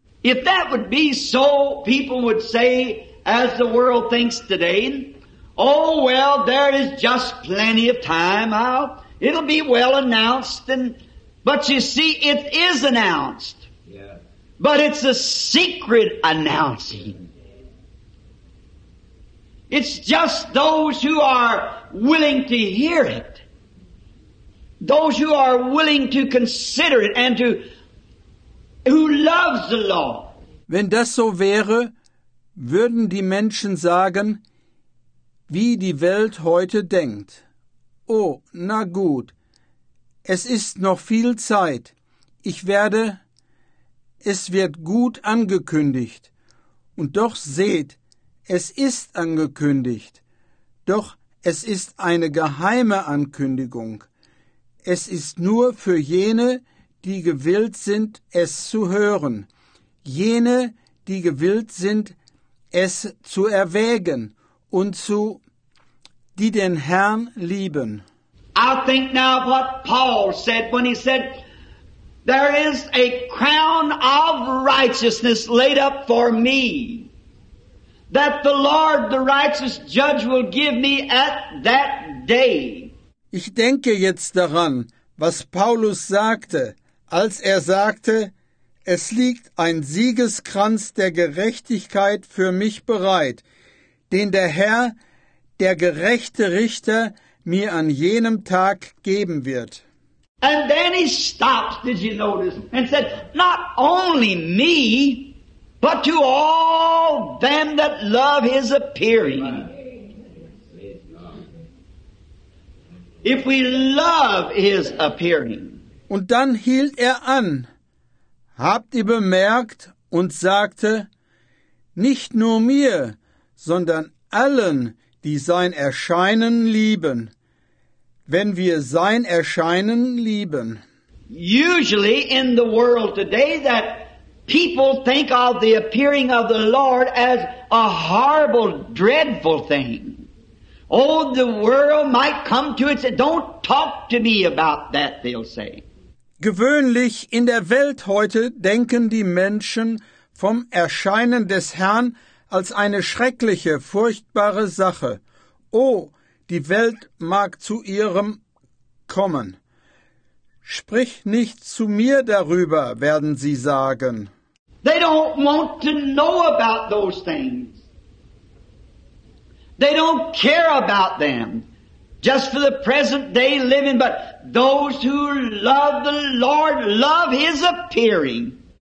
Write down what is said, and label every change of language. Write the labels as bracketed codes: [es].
[en] If that would be so, people would say, as the world thinks today, oh well, there is just plenty of time. It'll be well announced. But you see, it is announced. Yeah. But it's a secret announcing. It's just those who are willing to hear it. Those who are willing to consider it and to who loves the Lord. [de] Wenn das so wäre, würden die Menschen sagen, wie die Welt heute denkt. Oh, na gut, es ist noch viel Zeit. Es wird gut angekündigt. Und doch seht, es ist angekündigt. Doch es ist eine geheime Ankündigung. Es ist nur für jene, die gewillt sind, es zu hören. Jene, die gewillt sind, es zu erwägen und zu, die den Herrn lieben. [en] I think now what Paul said when he said, there is a crown of righteousness laid up for me, that the Lord, the righteous judge, will give me at that day. [de] Ich denke jetzt daran, was Paulus sagte, als er sagte, es liegt ein Siegeskranz der Gerechtigkeit für mich bereit, den der Herr, der gerechte Richter, mir an jenem Tag geben wird. [en] And then he stopped, did you notice, and said, not only me, but to all them that love his appearing. If we love his appearing. [de] Und dann hielt er an. Habt ihr bemerkt und sagte, nicht nur mir, sondern allen, die sein Erscheinen lieben, wenn wir sein Erscheinen lieben. [en] Usually in the world today that people think of the appearing of the Lord as a horrible, dreadful thing. Oh, the world might come to it and say, don't talk to me about that, they'll say. [de] Gewöhnlich in der Welt heute denken die Menschen vom Erscheinen des Herrn als eine schreckliche, furchtbare Sache. Oh, die Welt mag zu ihrem kommen. Sprich nicht zu mir darüber, werden sie sagen. [en] They don't want to know about those things. They don't care about them. Just for the present day living, but those who love the Lord love his appearing.